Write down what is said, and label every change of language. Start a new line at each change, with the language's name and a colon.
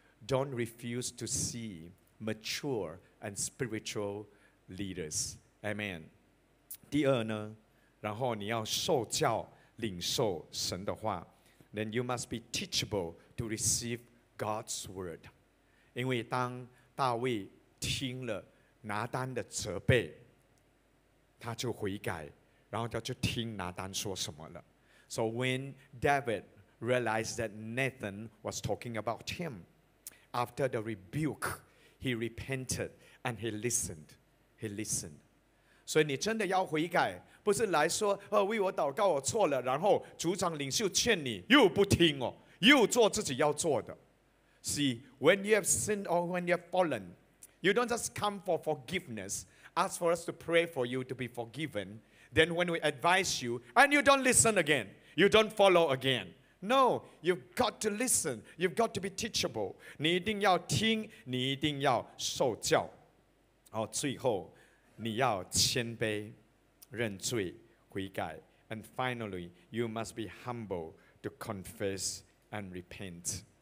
English: Don't refuse to see mature and spiritual leaders. Amen.
Chinese: 第二呢, 然后你要受教领受神的话,
English: then you must be teachable to receive God's word.
Chinese: 因为当大卫听了拿单的责备, 他就悔改, 然后他就听拿单说什么了.
English: So when David realized that Nathan was talking about him, after the rebuke, he repented and he listened. He listened.
Chinese: 所以你真的要悔改, 不是来说, 为我祷告, 我错了, 然后组长领袖劝你, 又不听哦, 又做自己要做的.
English: See, when you have sinned or when you have fallen, you don't just come for forgiveness, ask for us to pray for you to be forgiven, then when we advise you, and you don't listen again, you don't follow again. No, you've got to listen. You've got to be teachable.
Chinese: 你一定要听, 你一定要受教. 最后, 你要谦卑认罪悔改.
English: And finally, you must be humble to confess and repent.